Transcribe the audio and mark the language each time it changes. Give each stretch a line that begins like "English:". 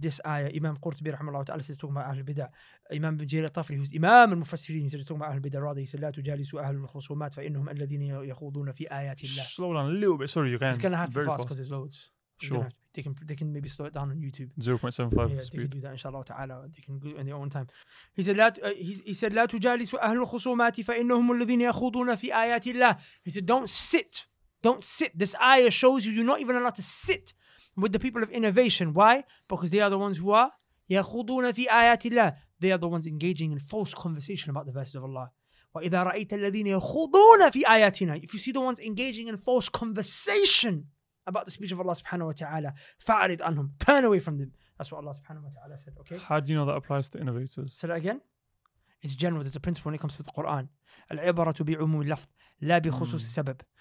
English: This ayah, Imam Qurtubi rahimahullah wa ta'ala, says talking about Ahlul Bid'ah. Imam Ibn Jarir al-Tafri, who's Imam al-Mufassirin, he said talking about Ahlul Bid'ah, rather, he said,
Arabic: لَا تُجَالِسُوا أَهْلُ الْخُصُومَاتِ فَإِنَّهُمْ الَّذِينَ يَخُوضُونَ فِي آيَاتِ اللَّهِ.
English: Slow down a little bit, sorry, you can. It's gonna have to be fast because there's loads. Sure. They can maybe slow it down on YouTube. 0.75 speed. They can do that, inshallah ta'ala. They can go in their own time. He said,
Arabic: لا تجالسوا أهل الخصومات فإنهم الذين يخوضون في آيات الله.
English: He said, don't sit. This ayah shows you're not even allowed to sit with the people of innovation. Why? Because they are the ones who are
Arabic: يخوضون في آيات الله.
English: They are the ones engaging in false conversation about the verses of Allah.
Arabic: وإذا رأيت الذين يخوضون في آياتنا.
English: If you see the ones engaging in false conversation about the speech of Allah subhanahu wa ta'ala,
Arabic: fa'arid anhum,
English: turn away from them. That's what Allah subhanahu wa ta'ala said, okay? How do you know that applies to innovators? Say that again. It's general, there's a principle when it comes to the Quran.
Arabic: Al-ibaratu bi'umum al-lafz, la bi-khusus al-sabab.